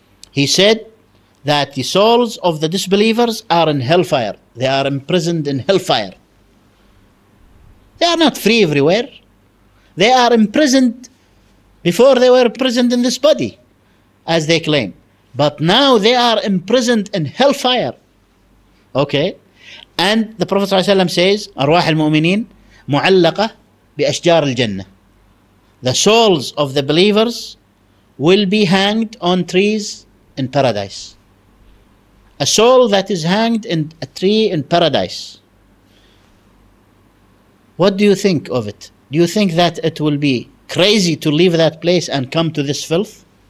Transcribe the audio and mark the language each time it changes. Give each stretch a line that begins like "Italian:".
English: He said that the souls of the disbelievers are in hellfire. They are imprisoned in hellfire. They are not free everywhere. They are imprisoned before they were imprisoned in this body, as they claim. But now they are imprisoned in hellfire. Okay. And the Prophet ﷺ says,
Arabic: أرواح المؤمنين معلقة بأشجار الجنة.
English: The souls of the believers will be hanged on trees in paradise. A soul that is hanged in a tree in paradise. What do you think of it? Do you think that it will be crazy to leave that place and come to this filth?